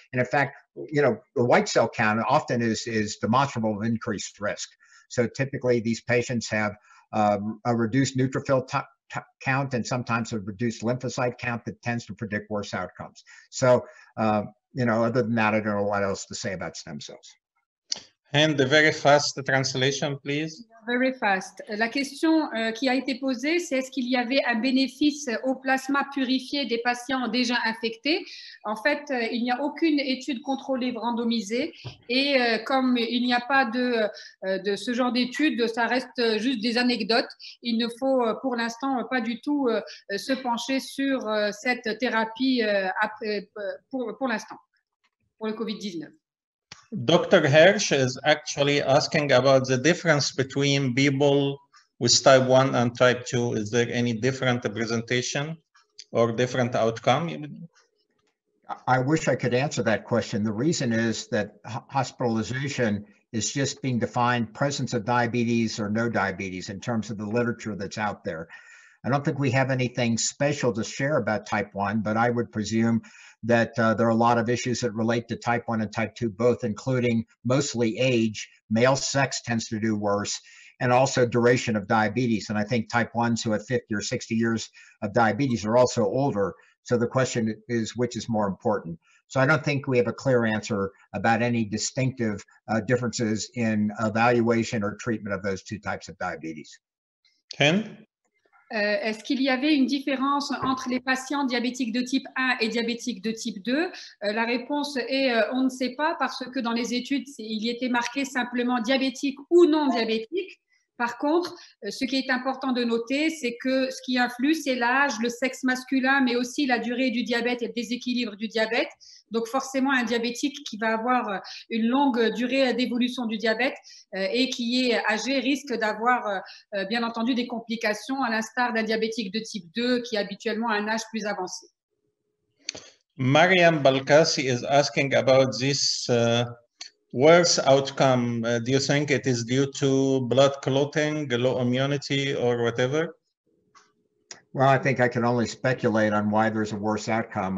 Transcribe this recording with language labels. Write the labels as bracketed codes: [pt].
[en] And in fact, the white cell count often is demonstrable of increased risk. So typically these patients have a reduced neutrophil count and sometimes a reduced lymphocyte count that tends to predict worse outcomes. So, other than that, I don't know what else to say about stem cells. And the very fast translation, please. Very fast. [fr] La question qui a été posée, c'est est-ce qu'il y avait un bénéfice au plasma purifié des patients déjà infectés? En fait, il n'y a aucune étude contrôlée randomisée et comme il n'y a pas de ce genre d'étude, ça reste juste des anecdotes. Il ne faut pour l'instant pas du tout se pencher sur cette thérapie pour l'instant, pour le COVID-19. [en] Dr. Hirsch is actually asking about the difference between people with type 1 and type 2. Is there any different presentation or different outcome? I wish I could answer that question. The reason is that hospitalization is just being defined presence of diabetes or no diabetes in terms of the literature that's out there. I don't think we have anything special to share about type 1, but I would presume that there are a lot of issues that relate to type 1 and type 2 both, including mostly age. Male sex tends to do worse, and also duration of diabetes. And I think type 1s who have 50 or 60 years of diabetes are also older. So the question is, which is more important? So I don't think we have a clear answer about any distinctive differences in evaluation or treatment of those two types of diabetes. Ken? [fr] Est-ce qu'il y avait une différence entre les patients diabétiques de type 1 et diabétiques de type 2? La réponse est on ne sait pas parce que dans les études, il y était marqué simplement diabétique ou non diabétique. Par contre, ce qui est important de noter, c'est que ce qui influe, c'est l'âge, le sexe masculin, mais aussi la durée du diabète et le déséquilibre du diabète. Donc forcément, un diabétique qui va avoir une longue durée d'évolution du diabète et qui est âgé risque d'avoir, bien entendu, des complications, à l'instar d'un diabétique de type 2 qui est habituellement à un âge plus avancé. [en] Mariam Balkasi is asking about this worse outcome. Do you think it is due to blood clotting, low immunity, or whatever? Well, I think I can only speculate on why there's a worse outcome.